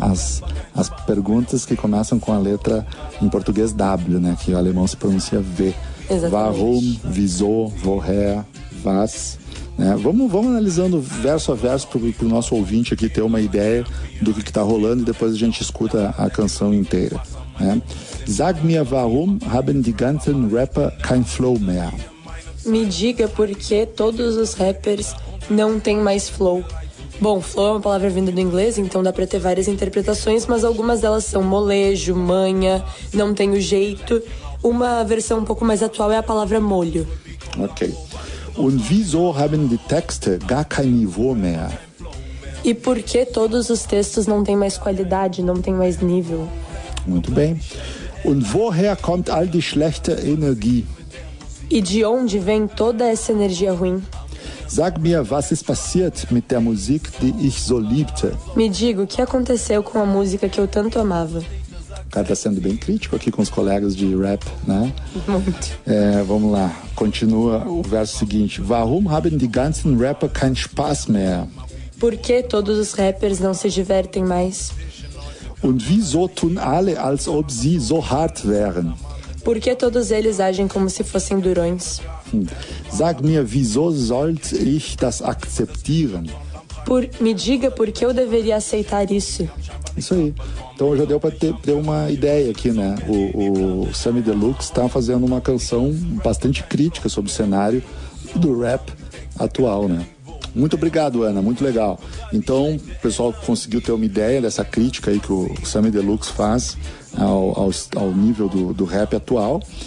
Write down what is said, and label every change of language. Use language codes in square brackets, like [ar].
[pt] As perguntas que começam com a letra, em português, W, né? Que o alemão se pronuncia W. Exatamente. [de] Warum, wieso, woher, was, né? [pt] Vamos analisando verso a verso pro nosso ouvinte aqui ter uma ideia do que tá rolando e depois a gente escuta a canção inteira, né? [de] Sag mir, warum haben die ganzen Rapper kein Flow mehr? [pt] Me diga por que todos os rappers não têm mais flow. Bom, flow é uma palavra vinda do inglês, então dá pra ter várias interpretações, mas algumas delas são molejo, manha, não tem o jeito. Uma versão um pouco mais atual é a palavra molho. Ok. [de] Und wieso haben die Texte gar kein Niveau mehr? [pt] E por que todos os textos não têm mais qualidade, não têm mais nível? Muito bem. [de] Und woher kommt all die schlechte Energie? [pt] E de onde vem toda essa energia ruim? [de] Sag mir, was ist passiert mit der Musik, die ich so liebte? [pt] Me diga, o que aconteceu com a música que eu tanto amava? O cara tá sendo bem crítico aqui com os colegas de rap, né? Muito. É, vamos lá, continua o verso seguinte. [de] Warum haben die ganzen Rapper keinen Spaß mehr? [pt] Por que todos os rappers não se divertem mais? [de] Und wieso tun alle, als ob sie so hart wären? [pt] Por que todos eles agem como se fossem durões? [de] Sag mir, wieso sollt ich das akzeptieren? [pt] Me diga por que eu deveria aceitar isso. Isso aí. Então já deu para ter uma ideia aqui, né? O Sammy Deluxe está fazendo uma canção bastante crítica sobre o cenário do rap atual, né? Muito obrigado, Ana, muito legal. Então, o pessoal conseguiu ter uma ideia dessa crítica aí que o Sammy Deluxe faz ao nível do rap atual.